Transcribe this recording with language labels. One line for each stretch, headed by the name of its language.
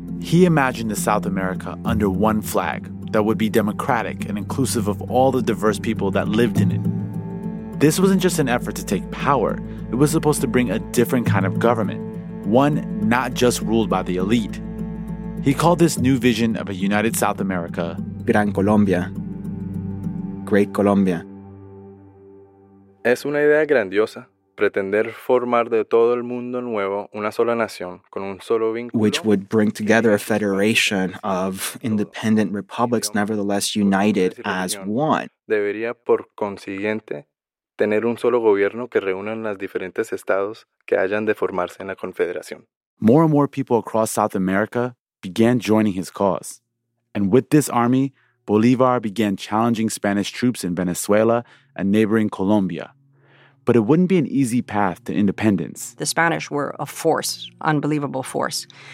English: He imagined the South America under one flag that would be democratic and inclusive of all the diverse people that lived in it. This wasn't just an effort to take power. It was supposed to bring a different kind of government, one not just ruled by the elite. He called this new vision of a united South America
Spanish: Gran Colombia,
English: Great Colombia.
Spanish: Es una idea grandiosa, pretender formar de todo el mundo nuevo una sola nación con un solo vínculo.
English: Which would bring together a federation of independent republics, nevertheless united as one.
Spanish: Debería, por consiguiente, tener un solo gobierno que reúna las diferentes estados que hayan de formarse en la confederación.
English: More and more people across South America began joining his cause. And with this army, Bolivar began challenging Spanish troops in Venezuela and neighboring Colombia. But it wouldn't be an easy path to independence. The Spanish were a force, unbelievable force.